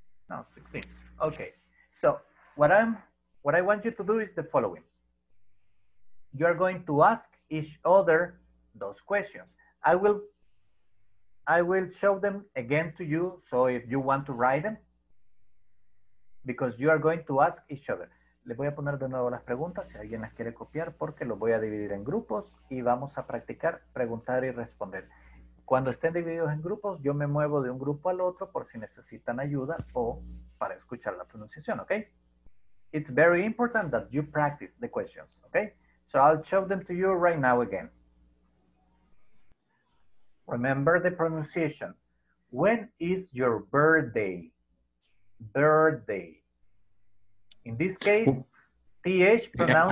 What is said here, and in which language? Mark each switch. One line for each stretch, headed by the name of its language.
English: No, 16, okay. So What I want you to do is the following. You are going to ask each other those questions. I will show them again to you, so if you want to write them, because you are going to ask each other.
Spanish: Les voy a poner de nuevo las preguntas, si alguien las quiere copiar, porque los voy a dividir en grupos y vamos a practicar preguntar y responder. Cuando estén divididos en grupos, yo me muevo de un grupo al otro por si necesitan ayuda o para escuchar la pronunciación, ¿ok?
English: It's very important that you practice the questions, ¿ok? So I'll show them to you right now again. Remember the pronunciation. When is your birthday? Birthday. In this case, TH pronounced.